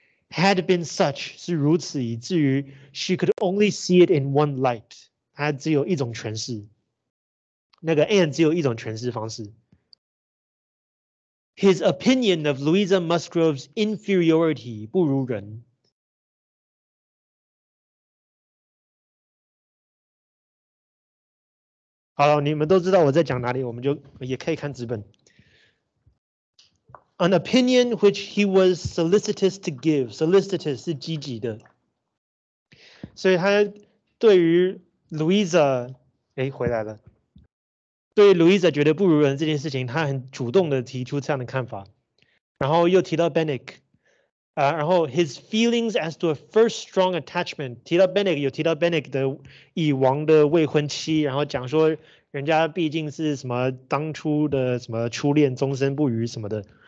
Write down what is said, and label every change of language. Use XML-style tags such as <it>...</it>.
<en>Had been such</en> <zh>是如此，以至于</zh> <en>she could only see it in one light。</en> <zh>它只有一种诠释，那个 and 只有一种诠释方式。</zh> <en>His opinion of Louisa Musgrove's inferiority</en> <zh>不如人。好了，你们都知道我在讲哪里，我们就也可以看纸本。</zh> <en>An opinion which he was solicitous to give.</en> <zh>Solicitous 是积极的，所以他对于 Louisa，哎，回来了。对 Louisa 觉得不如人这件事情，他很主动的提出这样的看法，然后又提到 Benick，然后</zh> <en>his feelings as to a first strong attachment，</en> <zh>提到 Benick 有提到 Benick 的已亡的未婚妻，然后讲说人家毕竟是什么当初的什么初恋，终身不渝什么的。</zh>